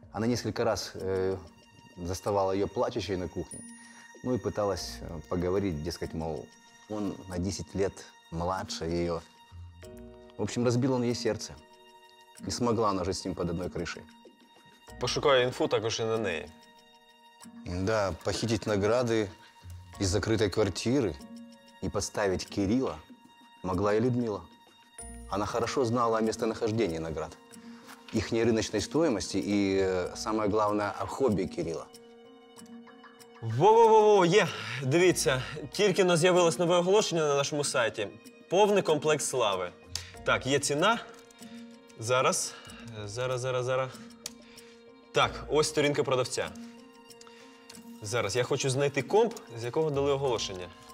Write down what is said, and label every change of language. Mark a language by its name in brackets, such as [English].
[Russian] Она несколько раз заставала ее плачущей на кухне, ну и пыталась поговорить, дескать, мол, он на 10 лет младше ее. В общем, разбил он ей сердце. Не смогла она жить с ним под одной крышей. [Ukrainian] Пошукаю инфу також и на ней. [Russian] Да, похитить награды из закрытой квартиры и подставить Кирилла могла и Людмила. Она хорошо знала о местонахождении наград, ихней рыночной стоимости и, самое главное, о хобби Кирилла. [Ukrainian] Во-во-во-во, є! Дивіться, тільки-но з'явилось нове оголошення на нашому сайті. Повний комплект слави. Так, є ціна. Зараз. Зараз. Так, ось сторінка продавця. Зараз, я хочу знайти комп, з якого дали оголошення.